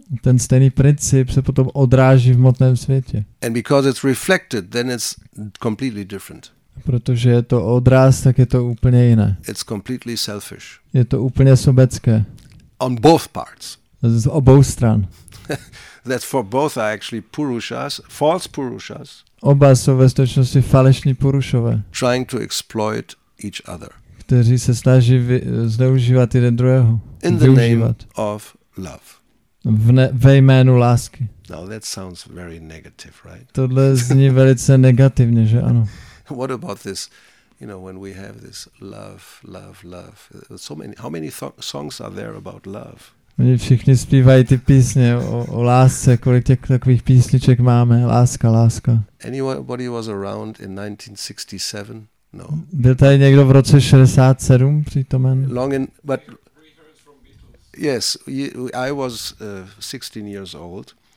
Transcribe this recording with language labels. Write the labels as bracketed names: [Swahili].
[Czech] Ten stejný princip se potom odráží v hmotném světě. [English] And because it's reflected, then it's completely different. [Czech] Protože je to odráz, tak je to úplně jiné. [English] It's completely selfish. [Czech] Je to úplně sobecké. [English] On both parts. [Czech] Z obou stran. [English] That for both are actually purushas, false purushas. [Czech] Oba jsou ve skutečnosti falešní purušové. [English] Trying to exploit each other. [Czech] Kteří se snaží zneužívat jeden druhého. [English] In the name of love. [Czech] Ve jménu lásky. [English] Now that sounds very negative, right? [Czech] Tohle zní velice negativně, že ano. [English] What about this, you know, when we have this love, love, love. So many, how many songs are there about love? [Czech] Oni všichni zpívají ty písně o lásce, kolik těch takových písniček máme. Láska, láska. [English] Anybody was around in 1967? No. [Czech] Byl tady někdo v roce 67 přítomen? [English] Long in, but yes, I was 16 years old.